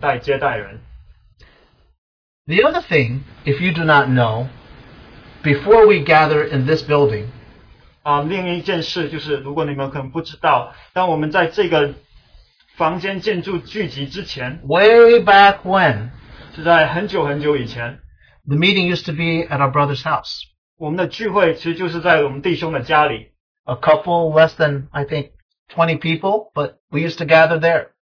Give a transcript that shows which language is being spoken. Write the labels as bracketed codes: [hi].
[zh] 实在是他行，并且追求要款待接待人。 [en] The other thing, if you do not know, before we gather in this building, [zh] 另一件事就是，如果你们可能不知道，当我们在这个 房间建筑聚集之前, [en] way back when, [zh] 是在很久很久以前, [en] the meeting used to be at our brother's house. [zh] 我们的聚会其实就是在我们弟兄的家里, [en] a couple less than, I think, 20 people, but we used to gather there.